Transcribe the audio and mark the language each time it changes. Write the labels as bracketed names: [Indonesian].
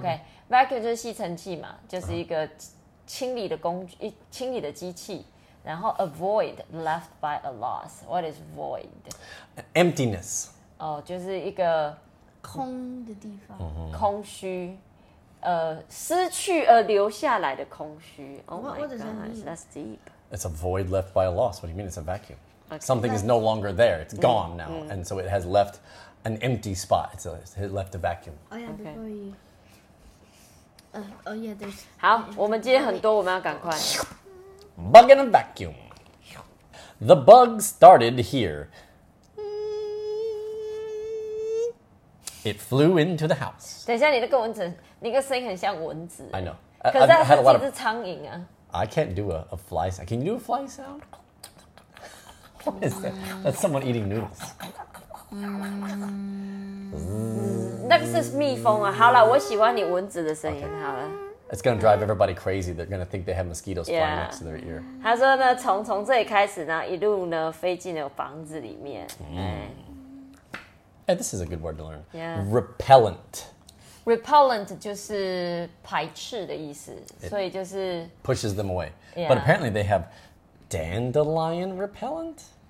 [Chinese] Okay, vacuum 就是吸尘器嘛，就是一个清理的工具，清理的机器。然后 [English] a void left by a loss. What is void? Emptiness. [Chinese] 哦，就是一个空的地方，空虚，失去而留下来的空虚。 [English] Oh my god, that's deep. It's a void left by a loss. What do you mean? It's a vacuum. Okay. Something is no longer there. It's gone now, and so it has left. An empty spot. It's it left a vacuum. Oh yeah, okay. Before you. Yeah, there's. [Chinese] 好，我们今天很多，我们要赶快。 [English] Bug in a vacuum. The bug started here. It flew into the house. [Chinese] 等一下，你那个蚊子，你那个声音很像蚊子。 [English] I know. [Chinese] 可是它是一只苍蝇啊。 [English] I can't do a fly sound. Can you do a fly sound? What is that? That's someone eating noodles. [Chinese] 那个是蜜蜂啊。好了，我喜欢你蚊子的声音。 Okay. 好了 [English] ，It's gonna drive everybody crazy. They're gonna think they have mosquitoes flying next to their ear. [Chinese] 他说呢，从这里开始呢，一路呢飞进了房子里面。 [English] This is a good word to learn. Repellent. [Chinese] Repellent 就是排斥的意思，所以就是 [English] pushes them away. But apparently they have dandelion repellent.